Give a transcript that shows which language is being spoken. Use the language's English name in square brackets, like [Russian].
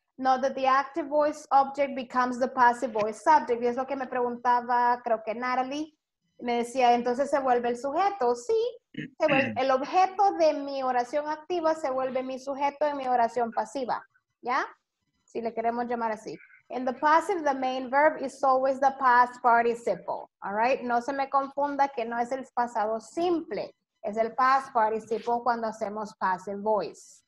[English] Note that the active voice object becomes the passive voice subject. [Spanish] Y es lo que me preguntaba, creo que Natalie. Me decía, entonces se vuelve el sujeto. Sí, se vuelve, el objeto de mi oración activa se vuelve mi sujeto en mi oración pasiva. ¿Ya? Si le queremos llamar así. [English] In the passive, the main verb is always the past participle. All right? [Spanish] No se me confunda que no es el pasado simple. Es el past participle cuando hacemos passive voice.